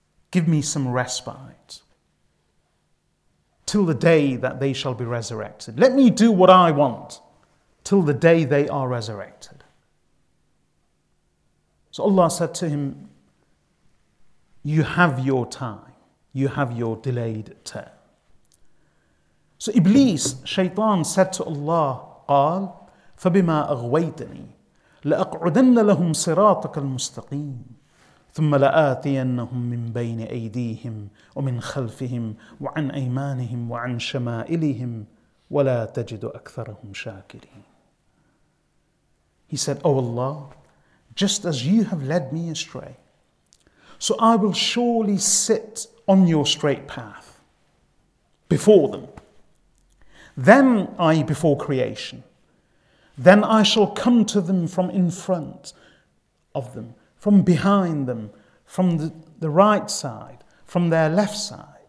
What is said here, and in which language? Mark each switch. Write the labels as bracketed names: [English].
[English] Give me some respite. Till the day that they shall be resurrected. Let me do what I want till the day they are resurrected. So Allah said to him, you have your time. You have your delayed term. So Iblis, Shaytan, said to Allah, [Arabic] قال, فَبِمَا أَغْوَيْتَنِي لَأَقْعُدَنَّ لَهُمْ صِرَاطَكَ الْمُسْتَقِيمِ ثُمَّ لَآتِيَنَّهُمْ مِنْ بَيْنِ أَيْدِيهِمْ وَمِنْ خَلْفِهِمْ وَعَنْ أَيْمَانِهِمْ وَعَنْ شَمَائِلِهِمْ وَلَا تَجِدُ أَكْثَرَهُمْ شَاكِرِينَ. [English] He said, oh Allah, just as you have led me astray, so I will surely sit on your straight path before them. Then, i.e. before creation, then I shall come to them from in front of them, from behind them, from the right side, from their left side.